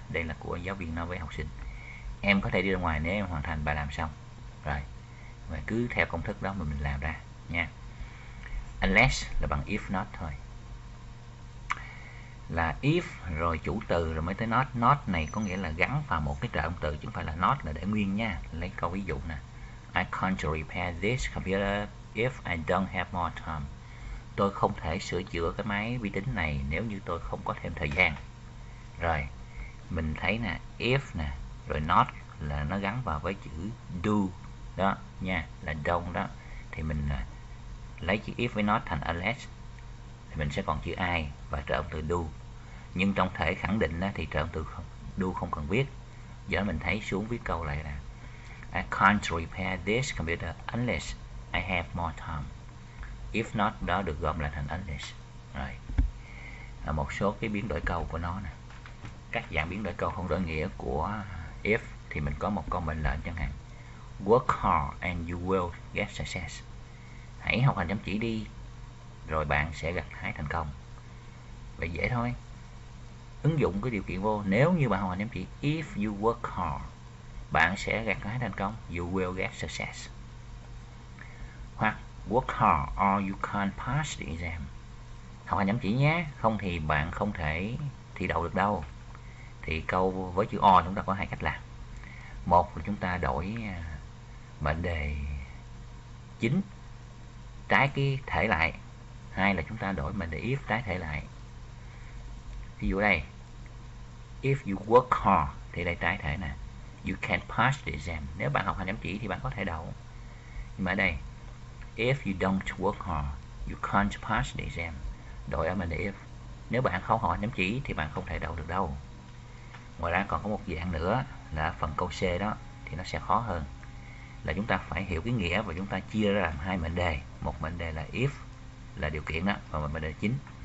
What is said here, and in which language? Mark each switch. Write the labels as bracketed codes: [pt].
[vi] Đây là của giáo viên nói với học sinh. Em có thể đi ra ngoài nếu em hoàn thành bài làm xong. Rồi, và cứ theo công thức đó mà mình làm ra nha. Unless là bằng if not thôi. Là if rồi chủ từ rồi mới tới not. Not này có nghĩa là gắn vào một cái trợ động từ, chứ không phải là not là để nguyên nha. Lấy câu ví dụ nè, [en] I can't repair this computer if I don't have more time. [vi] Tôi không thể sửa chữa cái máy vi tính này nếu như tôi không có thêm thời gian. Rồi, mình thấy nè, if nè, rồi not là nó gắn vào với chữ do đó nha, là don't đó. Thì mình lấy chữ if với not thành unless, thì mình sẽ còn chữ I và trợ động từ do. Nhưng trong thể khẳng định thì trợ động từ do không cần viết. Giờ mình thấy xuống viết câu lại là [en] I can't repair this computer unless I have more time. [vi] If not đó được gom lại thành unless. Rồi. Là một số cái biến đổi câu của nó nè. Các dạng biến đổi câu không đổi nghĩa của if thì mình có một câu mệnh lệnh chẳng hạn. [en] Work hard and you will get success. [vi] Hãy học hành chăm chỉ đi, rồi bạn sẽ gặt hái thành công. Vậy dễ thôi. Ứng dụng cái điều kiện vô, nếu như bạn học hành chăm chỉ, [en] if you work hard, [vi] bạn sẽ gặt hái thành công, [en] you will get success. [vi] Hoặc [en] work hard or you can't pass the exam. [vi] Học hành chăm chỉ nhé, không thì bạn không thể thi đậu được đâu. Thì câu với chữ or chúng ta có hai cách làm. Một là chúng ta đổi mệnh đề chính trái cái thể lại. Hai là chúng ta đổi mệnh đề if trái thể lại. Ví dụ đây, [en] if you work hard [vi] thì đây trái thể nè, [en] you can pass the exam. [vi] Nếu bạn học hành chăm chỉ thì bạn có thể đậu. Nhưng mà đây, [en] if you don't work hard, you can't pass the exam. [vi] Đổi ở mệnh đề if, nếu bạn không học hành chăm chỉ thì bạn không thể đậu được đâu. Ngoài ra còn có một dạng nữa là phần câu C đó, thì nó sẽ khó hơn. Là chúng ta phải hiểu cái nghĩa và chúng ta chia ra làm hai mệnh đề. Một mệnh đề là if, là điều kiện đó, và mệnh đề chính.